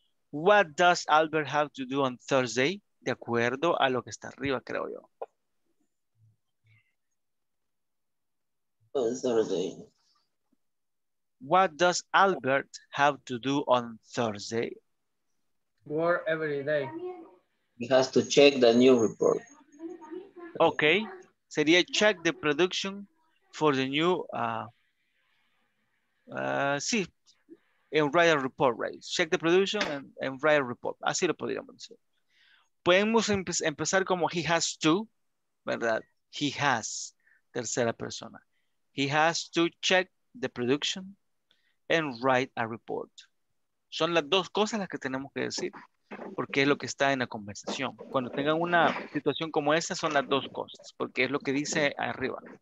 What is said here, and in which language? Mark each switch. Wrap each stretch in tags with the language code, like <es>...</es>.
<en>What does Albert have to do on Thursday?</en> <es>De acuerdo a lo que está arriba, creo yo.</es> <en>On Thursday. What does Albert have to do on Thursday? Work every day. He has to check the new report. Okay.</en> <es>Sería</es> <en>check the production for the new... sí. And write a report, right? Check the production and write a report.</en> <es>Así lo podríamos decir. Podemos empezar como</es> <en>he has to,</en> <es>¿verdad?</es> <en>He has,</en> <es>tercera persona.</es> <en>He has to check the production and write a report.</en> <es>Son las dos cosas las que tenemos que decir, porque es lo que está en la conversación. Cuando tengan una situación como esta, son las dos cosas, porque es lo que dice arriba.</es>